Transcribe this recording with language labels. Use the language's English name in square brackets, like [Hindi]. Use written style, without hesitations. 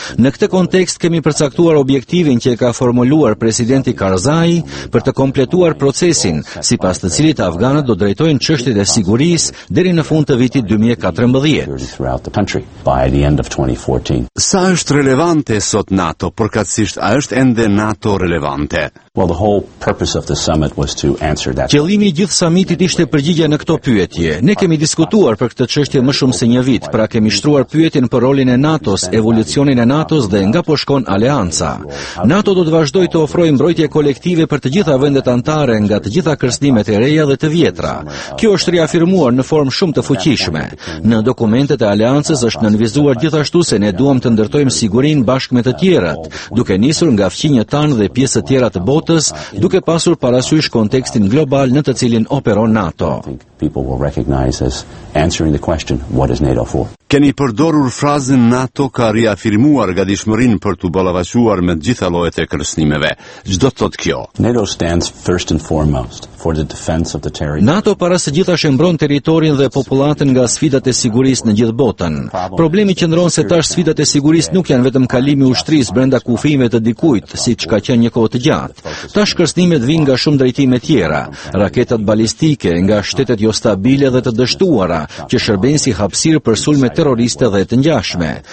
[Albanian] Në këtë kontekst kemi përcaktuar objektivin që e ka formuluar presidenti Karzai për të kompletuar procesin, sipas të cilit afganët do drejtojnë çështjet e sigurisë deri në fund të vitit 2014. Sa është relevante sot NATO, përkatësisht a është ende NATO relevante? [English] Well, the whole purpose of the summit was to answer that. [Albanian] Qëllimi i gjithë samitit ishte përgjigje në këto pyetje. Ne kemi diskutuar për këtë çështje më shumë se një vit, pra kemi shtruar pyetjen për rolin e NATO-s, evolucionin e NATO-s dhe nga po shkon alianca. NATO do të vazhdojë të ofrojë mbrojtje kolektive për të gjitha vendet anëtare nga të gjitha kërcënimet e reja dhe të vjetra. Kjo është riafirmuar në formë shumë të fuqishme. Në dokumentet e aleancës është nënvizuar gjithashtu se ne duam të ndërtojmë sigurinë bashkë me të tjerat, duke nisur nga fqinjë tan dhe pjesë tjera të botës, duke pasur parasysh kontekstin global në të cilin operon NATO. Keni përdorur frazën NATO ka riafirmuar gatishmërinë për të ballafaquar me të gjitha llojet e kërcënimeve. Çdo thot kjo? [English] NATO stands first and foremost for the defense of the territory. [Albanian] NATO para së gjithash e mbron territorin dhe popullatën nga sfidat e sigurisë në gjithë botën. Problemi qëndron se tash sfidat e sigurisë nuk janë vetëm kalimi i ushtrisë brenda kufijve të dikujt, siç ka qenë një kohë të gjatë. Tash kërcënimet vijnë nga shumë drejtime tjera, raketat balistike nga shtetet jo stabile dhe të dështuara që shërbejnë si hapësirë për sulme terroriste dhe të ngjashme.